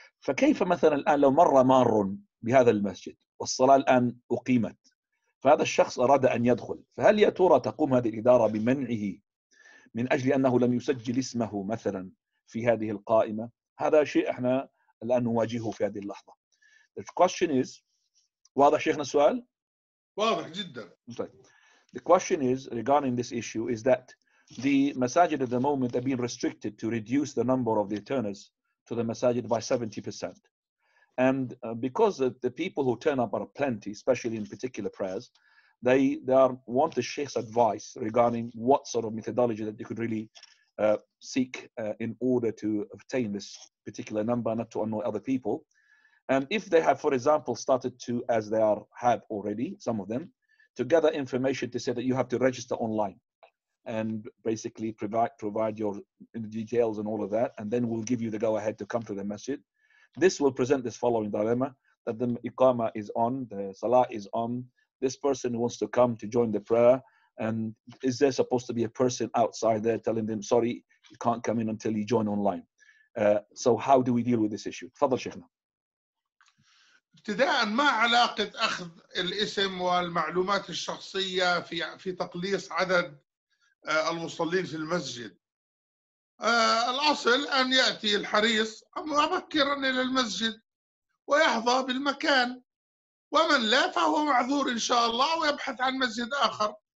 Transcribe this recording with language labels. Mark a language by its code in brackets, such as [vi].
[ar] فكيف مثلا الآن لو مر مار بهذا المسجد والصلاة الآن أقيمت، فهذا الشخص أراد أن يدخل، فهل يا ترى تقوم هذه الإدارة بمنعه من أجل أنه لم يسجل اسمه مثلا في هذه القائمة؟ هذا شيء إحنا الآن نواجهه في هذه اللحظة. [en] The question is، [ar] واضح شيخنا السؤال؟ واضح جدا. [en] The question is regarding this issue is that the masajid at the moment have been restricted to reduce the number of the turners to the masajid by 70%. And because the people who turn up are plenty, especially in particular prayers, they are want the sheikh's advice regarding what sort of methodology that they could really seek in order to obtain this particular number, not to annoy other people. And if they have, for example, started to, as they are have already, some of them, to gather information to say that you have to register online and basically provide your details and all of that, and then we'll give you the go-ahead to come to the masjid. This will present this following dilemma, that the iqama is on, the salah is on, this person wants to come to join the prayer, and is there supposed to be a person outside there telling them, sorry, you can't come in until you join online? So how do we deal with this issue? [ar] Fadal Sheikhna. ابتداء ما علاقة أخذ الاسم والمعلومات الشخصية في تقليص عدد المصلين في المسجد؟ الأصل أن يأتي الحريص مبكرا إلى المسجد ويحظى بالمكان، ومن لا فهو معذور إن شاء الله ويبحث عن مسجد آخر.